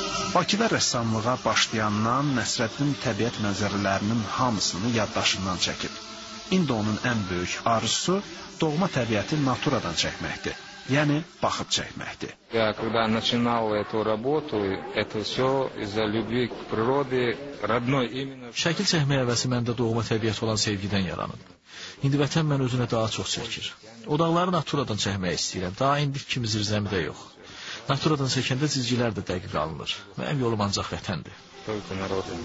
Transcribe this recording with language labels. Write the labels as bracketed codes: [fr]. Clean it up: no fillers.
[az] Bakıda rəssamlığa başlayandan Nəsrəddin təbiət mənzərələrinin hamısını yaddaşından çəkib. İndi onun ən böyük arzusu doğma təbiəti naturadan çəkməkdir. Yəni, baxıb çəkməkdir. [ru] Я когда начинал эту работу, это всё из-за любви к природе, родной именно. [az] Şəkil çəkmək əvəzi məndə doğma təbiət olan sevgidən yaranıb. İndi vətən məni özünə daha çox çəkir. Odaqları naturadan çəkmək istəyirəm. Daha indi kimi zirzəmidə yox. Naturadan çəkəndə çizgilər də dəqiq alınır. Mənim yolum ancaq vətəndir. [ru] Только народ.